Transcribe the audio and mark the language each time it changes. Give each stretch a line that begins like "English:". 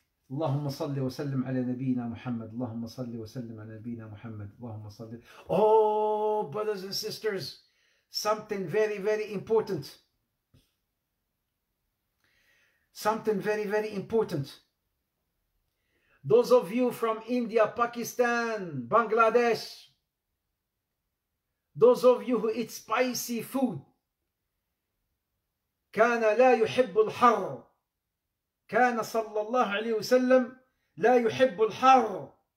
Arabic: اللهم صل وسلم على نبينا محمد اللهم صل وسلم على نبينا محمد اللهم صل.
English: Oh brothers and sisters, something very very important, something very very important. Those of you from India, Pakistan, Bangladesh, those of you who eat spicy food,
Arabic: كان لا يحب الحر. كان صلى الله عليه وسلم لا يحب الحر.